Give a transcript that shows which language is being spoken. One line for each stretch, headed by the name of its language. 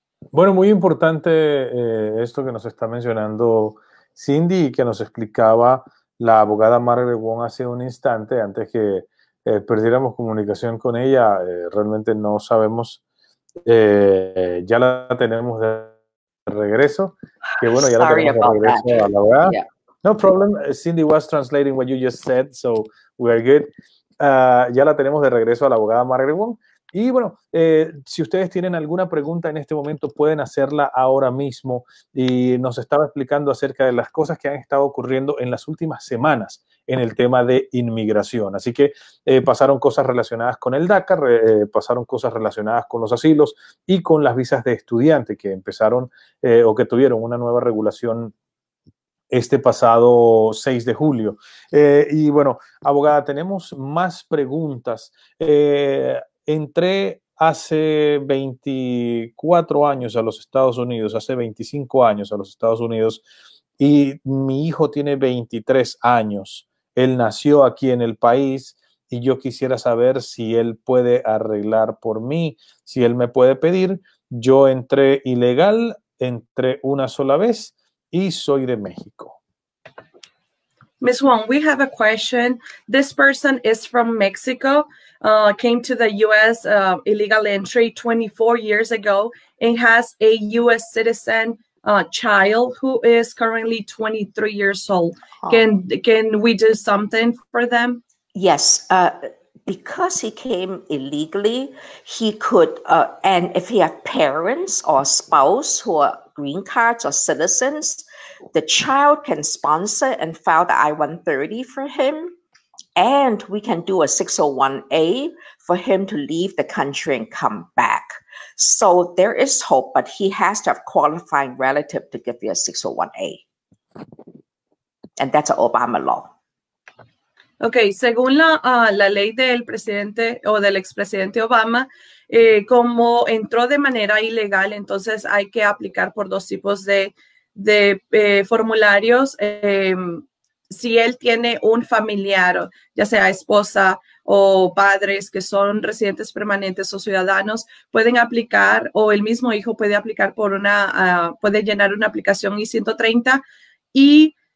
Spanish: Bueno, muy importante esto que nos está mencionando Cindy y que nos explicaba la abogada Margaret Wong hace un instante, antes que perdiéramos comunicación con ella. Realmente no sabemos, ya la tenemos de regreso. Que bueno, ya la tenemos de regreso a la abogada.
English: No problem, Cindy was translating what you just said, so we are good.
Spanish: Ya la tenemos de regreso a la abogada Margaret Wong. Y bueno, si ustedes tienen alguna pregunta en este momento, pueden hacerla ahora mismo. Y nos estaba explicando acerca de las cosas que han estado ocurriendo en las últimas semanas en el tema de inmigración. Así que pasaron cosas relacionadas con el DACA, pasaron cosas relacionadas con los asilos y con las visas de estudiante que empezaron o que tuvieron una nueva regulación este pasado 6 de julio. Y bueno, abogada, tenemos más preguntas. Entré hace 24 años a los Estados Unidos, hace 25 años a los Estados Unidos, y mi hijo tiene 23 años. Él nació aquí en el país y yo quisiera saber si él puede arreglar por mí, si él me puede pedir. Yo entré ilegal, entré una sola vez y soy de México.
English: Ms. Wong, we have a question. This person is from Mexico, came to the U.S. Illegal entry 24 years ago and has a U.S. citizen child who is currently 23 years old. Can we do something for them? Yes. Because he came illegally, he could, and if he had parents or spouse who are green cards or citizens, the child can sponsor and file the I-130 for him, and we can do a 601A for him to leave the country and come back. So there is hope, but he has to have qualifying relative to give you a 601A. And that's an Obama law.
Spanish: Okay, según la, la ley del presidente o del expresidente Obama, como entró de manera ilegal, entonces hay que aplicar por dos tipos de formularios. Si él tiene un familiar, ya sea esposa o padres que son residentes permanentes o ciudadanos, pueden aplicar o el mismo hijo puede aplicar por una, puede llenar una aplicación I-130 y